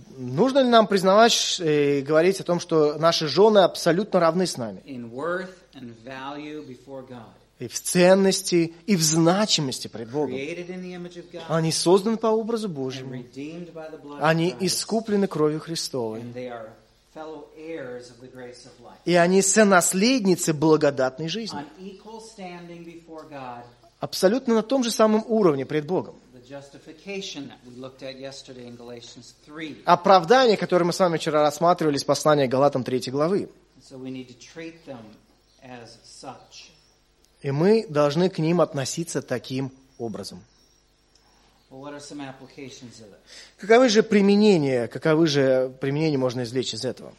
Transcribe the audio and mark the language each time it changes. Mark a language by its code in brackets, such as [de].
[ru] Нужно ли нам признавать и говорить о том, что наши жены абсолютно равны с нами? [en] In worth and value before God. [ru] И в ценности, и в значимости пред Богом. [en] Created in the image of God. [ru] Они созданы по образу Божьему. [en] And redeemed by the blood. [ru] Они искуплены кровью Христовой. [en] And they are fellow heirs of the grace of life. [ru] И они сонаследницы благодатной жизни. [en] On equal standing before God. [ru] Абсолютно на том же самом уровне пред Богом. [en] Justification that we looked at yesterday in Galatians 3. [ru] Оправдание, которое мы с вами вчера рассматривали из послания к Галатам 3 главы. [en] So we need to treat them as such. [ru] И мы должны к ним относиться таким образом. [en] Well, what are some applications of this? [ru] Каковы же применения можно извлечь из этого?